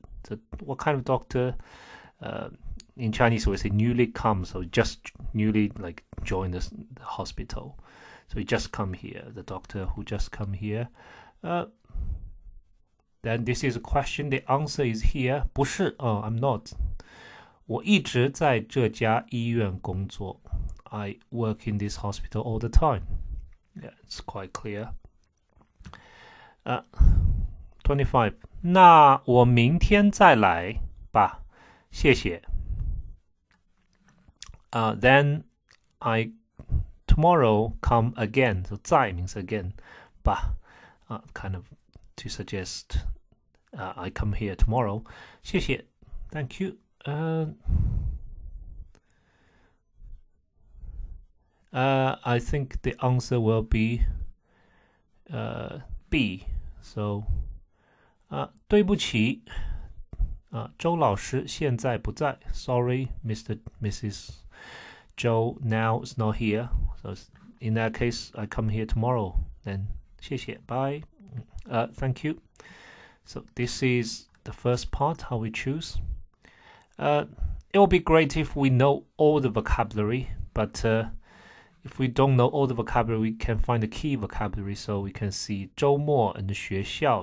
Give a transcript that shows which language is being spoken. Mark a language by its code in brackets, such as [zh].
[en] So what kind of doctor? In Chinese, we say newly come, so just newly like joined the hospital. So he just come here, the doctor who just come here. Then this is a question, the answer is here. [zh] 不是, [en] I'm not. [zh] 我一直在这家医院工作. [en] I work in this hospital all the time. Yeah, it's quite clear. [zh] 25, 那我明天再来吧,谢谢。 [en] Then I tomorrow come again, so 再 means again, 吧, kind of to suggest I come here tomorrow. 谢谢, thank you. I think the answer will be B. [zh] So, 对不起, 周老师现在不在。 [en] Sorry, Mr. Mrs. Joe now is not here. So, in that case, I come here tomorrow. Then, 谢谢, bye. Thank you. So this is the first part, how we choose. It will be great if we know all the vocabulary, but if we don't know all the vocabulary, we can find the key vocabulary, so we can see 周末 and 学校.